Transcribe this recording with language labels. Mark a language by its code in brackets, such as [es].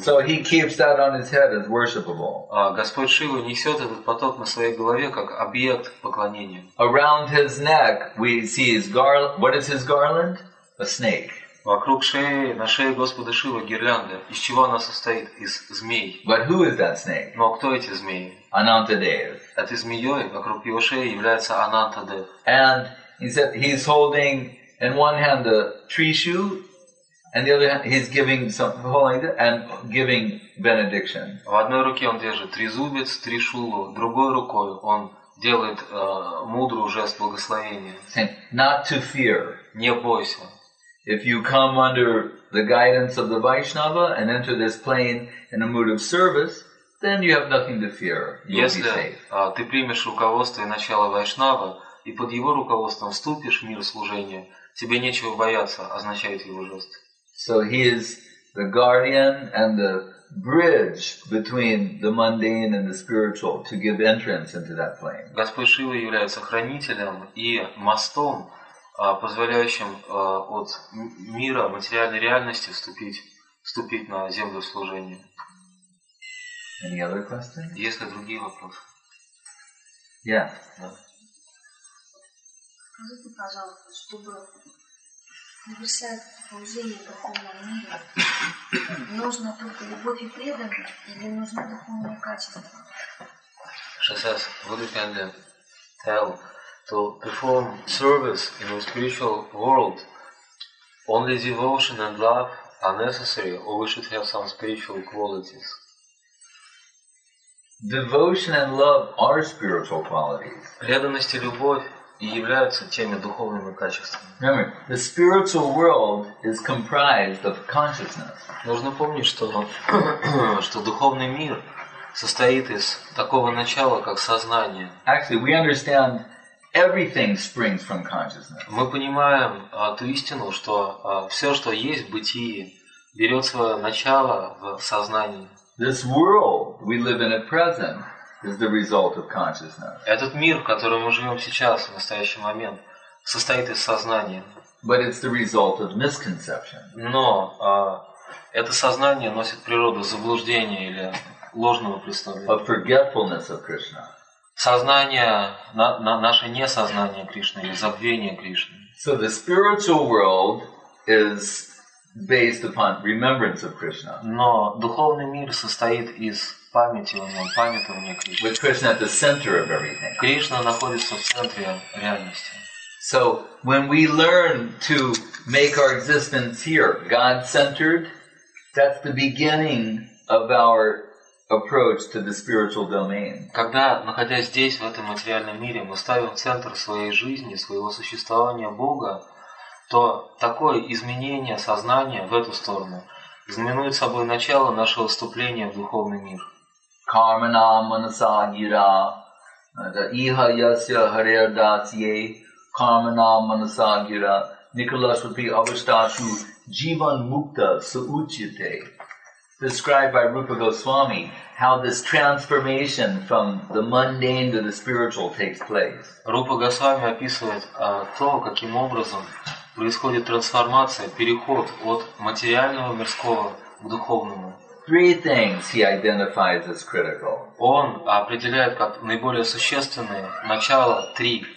[en] So he keeps that on his head as worshipable. [ru] Господь Шива несет этот поток на своей голове как объект поклонения. [en] Around his neck we see his garland. What is his garland? A snake. [ru] Вокруг шеи, на шее Господа Шивы гирлянда. Из чего она состоит? Из змей. [en] But who is that snake? [ru] Но кто эти змеи? Анантадев. Этой змеей вокруг его шеи является Анантадев. [en] And he said he's holding in one hand a trishu, and the other hand he's giving some holding it and giving benediction. [ru] В одной руке он держит трезубец, тришулу, другой рукой он делает мудрый жест благословения. [en] Not to fear. [ru] Не бойся. [en] If you come under the guidance of the Vaishnava and enter this plane in a mood of service, then you have nothing to fear. You'll be safe. [ru] Ты примешь руководство и начало Вайшнава, и под его руководством вступишь в мир служения, тебе нечего бояться, означает его жест. [en] So he is the guardian and the bridge between the mundane and the spiritual to give entrance into that plane. [ru] Господь Шива является хранителем и мостом, позволяющим от мира материальной реальности вступить на землю служения. [en] Any other questions? [ru] Есть ли другие вопросы? [en] Yeah. [ru] Скажите, пожалуйста, чтобы написать служение духовному миру, нужно только любовь и преданность или нужны духовные качества? [en] Шасас, would you kindly tell? To perform service in the spiritual world, only devotion and love are necessary, or we should have some spiritual qualities? Devotion and love are spiritual qualities. [ru] Преданность и любовь являются теми духовными качествами. [en] Remember, the spiritual world is comprised of consciousness. [ru] Нужно помнить, что духовный мир состоит из такого начала, как сознание. [en] Actually, we understand everything springs from consciousness. [ru] Мы понимаем ту истину, что все, что есть в бытии, берет свое начало в сознании. [en] This world we live in at present is the result of consciousness. [ru] Этот мир, в котором мы живем сейчас, в настоящий момент, состоит из сознания. [en] But it's the result of misconception. [ru] Но это сознание носит природу заблуждения или ложного представления. [en] Of forgetfulness of Krishna. [ru] Сознание, наше несознание Кришны или забвение Кришны. [en] So the spiritual world is based upon remembrance of Krishna. [ru] Но духовный мир состоит из памяти о нем, памятования Кришны. [en] With Krishna at the center of everything. [ru] Кришна находится в центре реальности. [en] So when we learn to make our existence here God-centered, that's the beginning of our approach to the spiritual domain. [ru] Когда, находясь здесь, в этом материальном мире, мы ставим центр своей жизни, своего существования Бога, то такое изменение сознания в эту сторону знаменует собой начало нашего вступления в духовный мир. [sa] Кармана манасагира иха яся харердатье кармана манасагира Николас would be avastashu jivan mukta suuchite. [en] Described by Rupa Goswami, how this transformation from the mundane to the spiritual takes place. [ru] Rupa Goswami описывает то, каким образом происходит трансформация, переход от материального мирского к духовному. [en] Three things he identifies as critical. [ru] Он определяет как наиболее существенные начало три.